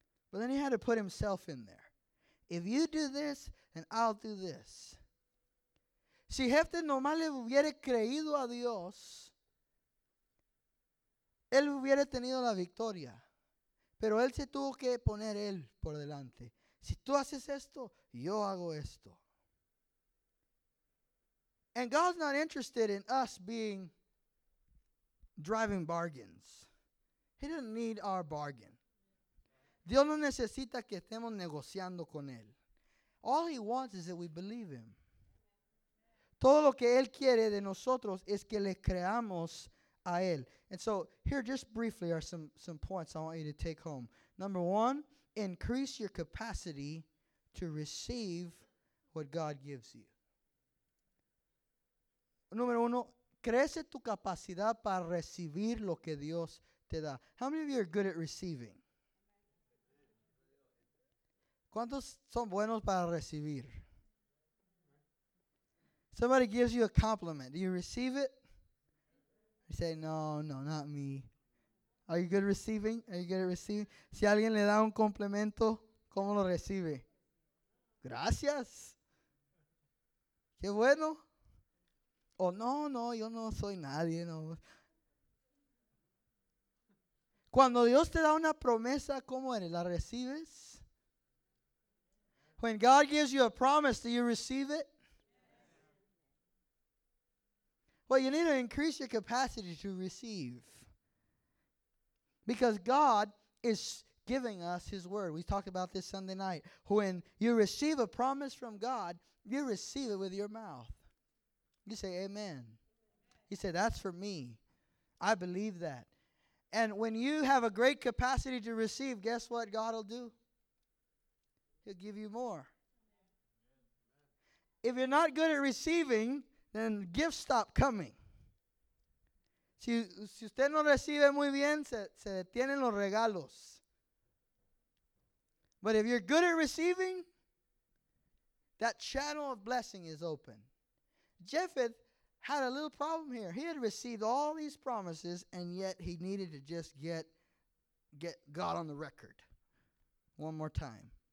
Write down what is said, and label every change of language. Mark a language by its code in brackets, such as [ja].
[en] But then he had to put himself in there. If you do this, then I'll do this. [es] Si Jephthah nomás le hubiera creído a Dios, él hubiera tenido la victoria, pero él se tuvo que poner él por delante. Si tú haces esto, yo hago esto. [en] And God's not interested in us being driving bargains. He doesn't need our bargain. [es] Dios no necesita que estemos negociando con él. [en] All he wants is that we believe him. [es] Todo lo que él quiere de nosotros es que le creamos a él. [en] And so here just briefly are some points I want you to take home. Number one, increase your capacity to receive what God gives you. [es] Número uno, crece tu capacidad para recibir lo que Dios te da. [en] How many of you are good at receiving? [es] ¿Cuántos son buenos para recibir? [en] Somebody gives you a compliment. Do you receive it? You say, no, no, not me. Are you good at receiving? Are you good at receiving? [es] Si alguien le da un complemento, ¿cómo lo recibe? Gracias. Qué bueno. Oh, no, no, yo no soy nadie. No. Cuando Dios te da una promesa, ¿cómo eres? ¿La recibes? [en] When God gives you a promise, do you receive it? Well, you need to increase your capacity to receive. Because God is giving us his word. We talked about this Sunday night. When you receive a promise from God, you receive it with your mouth. You say, amen. You say, that's for me. I believe that. And when you have a great capacity to receive, guess what God will do? He'll give you more. If you're not good at receiving, then gifts stop coming. [es] Si usted no recibe muy bien, se detienen los regalos. [en] But if you're good at receiving, that channel of blessing is open. Jephthah had a little problem here. He had received all these promises, and yet he needed to just get God on the record one more time.